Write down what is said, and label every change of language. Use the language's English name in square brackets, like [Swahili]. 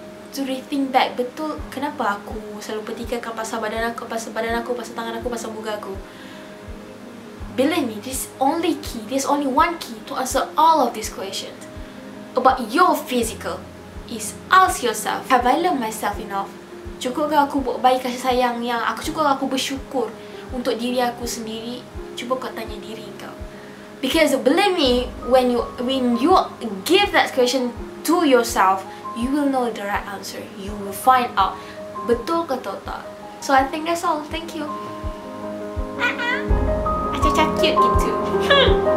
[English] To rethink back, [Malay] betul kenapa aku selalu pertikaikan pasal badan aku, pasal tangan aku, pasal muka aku. [English] Believe me, there's only one key to answer all of these questions about your physical is ask yourself, have I loved myself enough? [Malay] Cukupkah aku buat baik kasih sayang yang aku, cukupkah aku bersyukur untuk diri aku sendiri? Cuba kau tanya diri kau. [English] Because believe me, when you give that question to yourself, you will know the right answer. You will find out [Malay] betul ke tak. [English] So I think that's all. Thank you. [Malay] Acah-acah cute gitu.